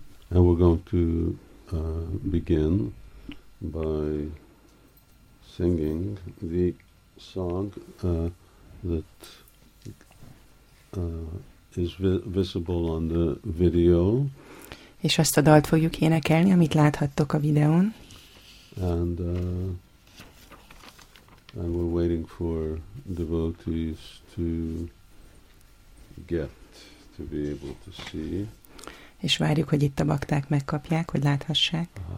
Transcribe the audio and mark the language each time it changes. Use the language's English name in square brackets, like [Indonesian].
[English] And we're going to begin by singing the song that is visible on the video. [Hungarian] És azt a dalt fogjuk énekelni, amit láthattok a videón. [English] And we're waiting for devotees to get to be able to see. [Hungarian] És várjuk, hogy itt a bakták megkapják, hogy láthassák.